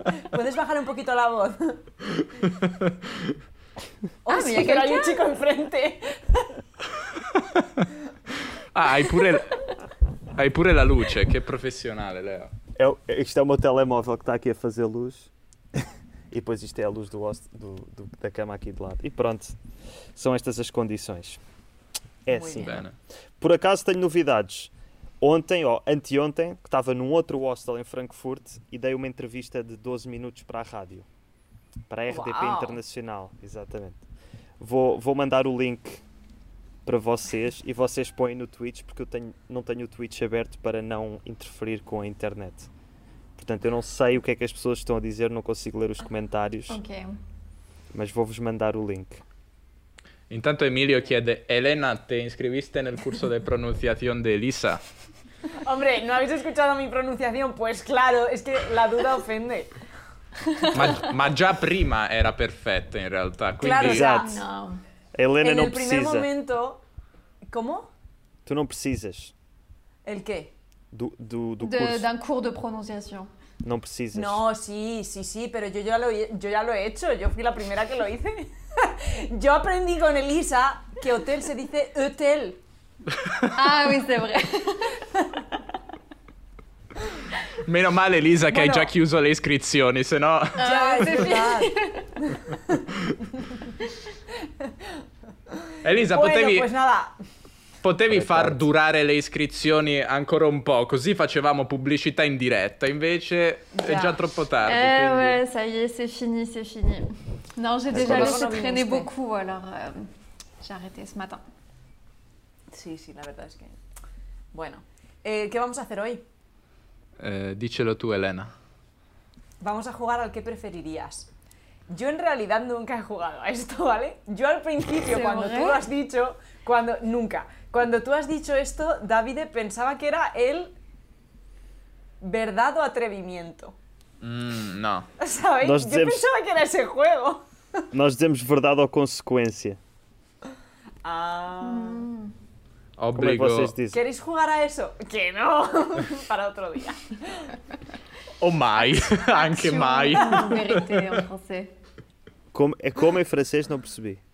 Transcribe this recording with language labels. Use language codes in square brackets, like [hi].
[es] Puedes bajar un poquito la voz. Oh, sí, que hay un chico enfrente. [it] Ah, hai pure la luce, che professionale, Leo. [pt] Isto [it] è un telemóvel che sta qui a fare luz. E poi isto è la luz da cama qui di lato. E pronto, [pt] sono estas as condições. É assim. Por acaso tenho novidades. Ontem, ou anteontem, que estava num outro hostel em Frankfurt e dei uma entrevista de 12 minutos para a rádio. Para a RDP Uau. Internacional, exatamente. Vou mandar o link para vocês e vocês põem no Twitch, porque eu não tenho o Twitch aberto para não interferir com a internet. Portanto, eu não sei o que é que as pessoas estão a dizer, não consigo ler os comentários. Ok. Mas vou-vos mandar o link. [it] Intanto Emilio chiede, Elena, [es] te inscribiste [it] nel corso di pronunciación de Elisa? [es] Hombre, ¿no habéis escuchado mi pronunciación? Pues claro, es que la duda ofende. [it] Ma già prima era perfetta in realtà. Quindi... [es] Claro, [it] esatto. [es] No. Elena en [it] non [es] el [it] precisa. [es] Primer momento... ¿Cómo? [it] Tu non precisas. [es] El qué? [pt] Do curso. [fr] D'un cours de pronunciación. [it] Non precisas. [es] No, sí, pero yo ya lo he hecho. Yo fui la primera que lo hice. Yo aprendí con Elisa que hotel se dice hotel. [fr] Ah, oui, c'est vrai. [it] Meno male, Elisa, che bueno, hai già chiuso le iscrizioni, se no... Già, scusate. Elisa, [es] bueno, [it] potevi... [es] Pues nada. [it] Potevi far durare le iscrizioni ancora un po', così facevamo pubblicità in diretta, invece è già troppo tardi. Quindi... [fr] ouais, ça y est, c'est fini. Non, j'ai déjà laissé traîner beaucoup, alors j'ai arrêté ce matin. [it] Sì, la verità è che... Bueno, che [es] vamos a hacer hoy? [it] Dicelo tu, Elena. [es] Vamos a jugar al que preferirías. Yo en realidad nunca he jugado a esto, ¿vale? Yo al principio, cuando tú lo has dicho, cuando tú has dicho esto, David pensaba que era el verdad o atrevimiento. No. ¿Sabéis? [pt] Nos dizemos... [es] Yo pensaba que era ese juego. [pt] Nós dizemos verdade ou consequência. Ah. Obrigado. Como é que vocês dizem? Queres jogar a isso? Que não. Para outro dia. [it] Ou mai. Anche mai. [fr] Verité em [pt] francês. Como em francês, não percebi.